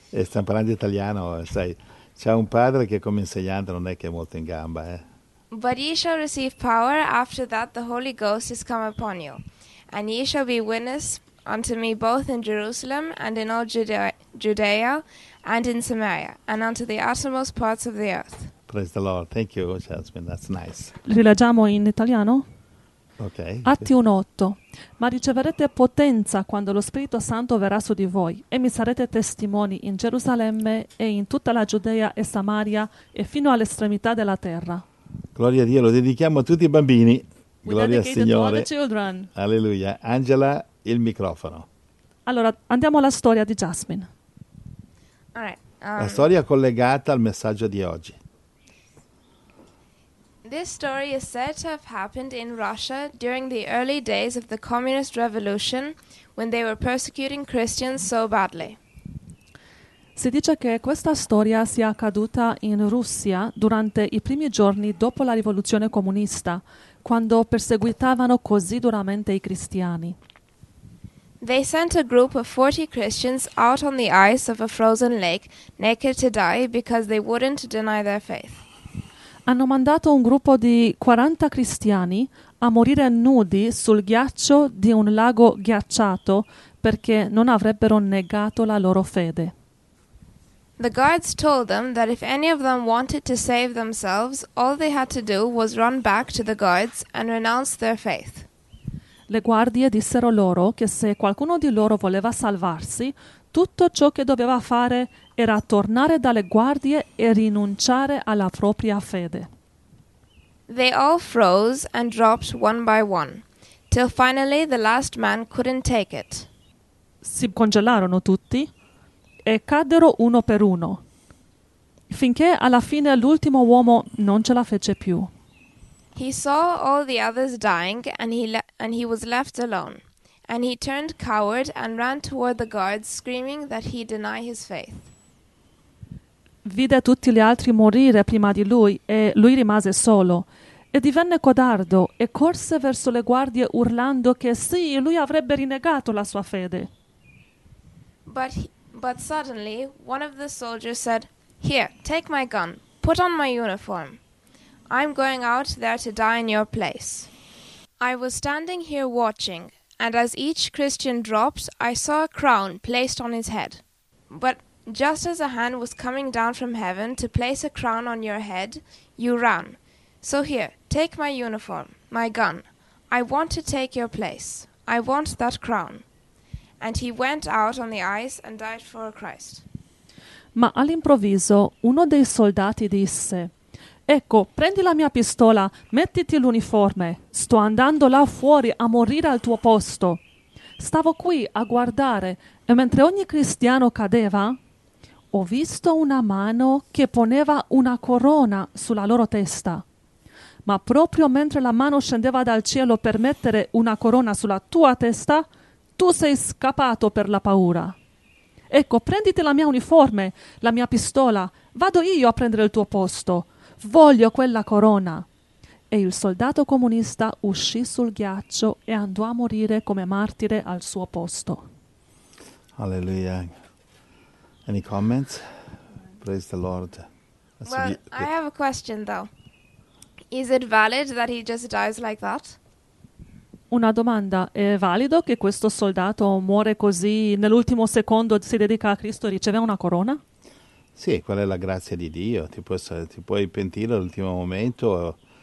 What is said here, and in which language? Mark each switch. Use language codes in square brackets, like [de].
[it] E stiamo parlando di italiano, sai, c'è un padre che come insegnante non è che è molto in gamba, eh. [en] But ye shall receive power after that the Holy Ghost is come upon you, and ye shall be witness unto me both in Jerusalem and in all Judea and in Samaria and unto the uttermost parts of the earth. Praise the Lord. Thank you, Jasmine. That's nice. [it] Rileggiamo in italiano? Ok. Atti 1:8. Ma riceverete potenza quando lo Spirito Santo verrà su di voi e mi sarete testimoni in Gerusalemme e in tutta la Giudea e Samaria e fino all'estremità della terra. Gloria a Dio, lo dedichiamo a tutti i bambini. Gloria al Signore. Alleluia. Angela, il microfono. Allora, andiamo alla storia di Jasmine. [en] All right, [it] La storia collegata al messaggio di oggi. [en] This story is said to have happened in Russia during the early days of the communist revolution when they were persecuting Christians so badly. [it] Si dice che questa storia sia accaduta in Russia durante i primi giorni dopo la rivoluzione comunista, quando perseguitavano così duramente i cristiani. [en] They sent a group of 40 Christians out on the ice of a frozen lake, naked to die because they wouldn't deny their faith. [it] Hanno mandato un gruppo di 40 cristiani a morire nudi sul ghiaccio di un lago ghiacciato perché non avrebbero negato la loro fede. [en] The guards told them that if any of them wanted to save themselves, all they had to do was run back to the guards and renounce their faith. [it] Le guardie dissero loro che se qualcuno di loro voleva salvarsi, tutto ciò che doveva fare era tornare dalle guardie e rinunciare alla propria fede. [en] They all froze and dropped one by one, till finally the last man couldn't take it. [it] Si congelarono tutti e caddero uno per uno, finché alla fine l'ultimo uomo non ce la fece più. [en] He saw all the others dying and he was left alone. And he turned coward and ran toward the guards, screaming that he deny his faith. [it] Vide tutti gli altri morire prima di lui e lui rimase solo. E divenne codardo e corse verso le guardie urlando che sì, lui avrebbe rinegato la sua fede. [en] But suddenly, one of the soldiers said, "Here, take my gun, put on my uniform. I'm going out there to die in your place. I was standing here watching, and as each Christian dropped, I saw a crown placed on his head. But just as a hand was coming down from heaven to place a crown on your head, you ran. So here, take my uniform, my gun. I want to take your place. I want that crown." And he went out on the ice and died for Christ. [it] Ma all'improvviso uno dei soldati disse: "Ecco, prendi la mia pistola, mettiti l'uniforme. Sto andando là fuori a morire al tuo posto. Stavo qui a guardare e mentre ogni cristiano cadeva, ho visto una mano che poneva una corona sulla loro testa. Ma proprio mentre la mano scendeva dal cielo per mettere una corona sulla tua testa, tu sei scappato per la paura. Ecco, prenditi la mia uniforme, la mia pistola. Vado io a prendere il tuo posto. Voglio quella corona." E il soldato comunista uscì sul ghiaccio e andò a morire come martire al suo posto. [en] Alleluia. Any comments? Praise the Lord. I have a question though. Is it valid that he just dies like that? [it] Una domanda: è valido che questo soldato muore così, nell'ultimo secondo si dedica a Cristo e riceve una corona? Sì, qual è la grazia di Dio? Ti puoi pentire all'ultimo momento?